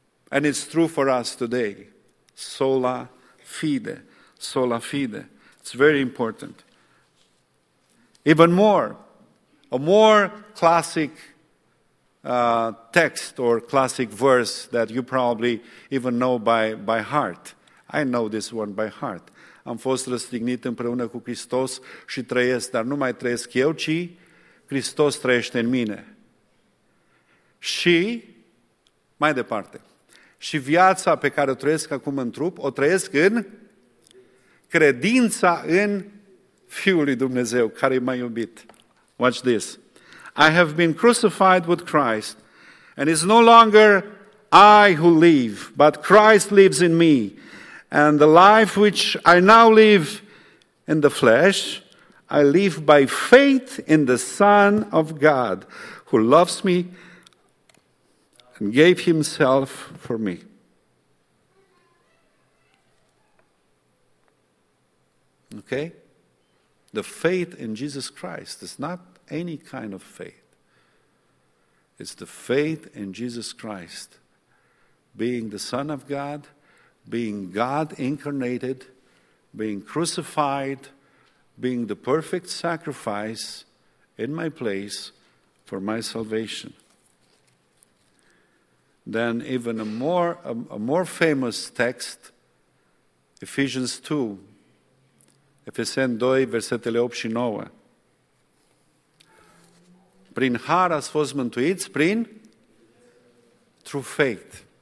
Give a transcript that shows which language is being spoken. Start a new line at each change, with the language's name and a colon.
English: And it's true for us today. Sola fide, sola fide. It's very important. Even more, a more classic text or classic verse that you probably even know by heart. I know this one by heart.
Romanian: Am fost răstignit împreună cu Hristos și trăiesc, dar nu mai trăiesc eu, ci Hristos trăiește în mine. Și, mai departe, și viața pe care o trăiesc acum în trup, o trăiesc în credința în Fiul lui Dumnezeu, care m-a iubit.
English: Watch this. I have been crucified with Christ, and it's no longer I who live, but Christ lives in me. And the life which I now live in the flesh, I live by faith in the Son of God, who loves me and gave himself for me. Okay? The faith in Jesus Christ is not any kind of faith. It's the faith in Jesus Christ, being the Son of God, being God incarnated, being crucified, being the perfect sacrifice in my place for my salvation. Then even a more famous text, Ephesians 2,
Romanian: Efeseni 2, versetele 8 și 9. Prin har ați fost mântuiți, prin?
English: Through faith.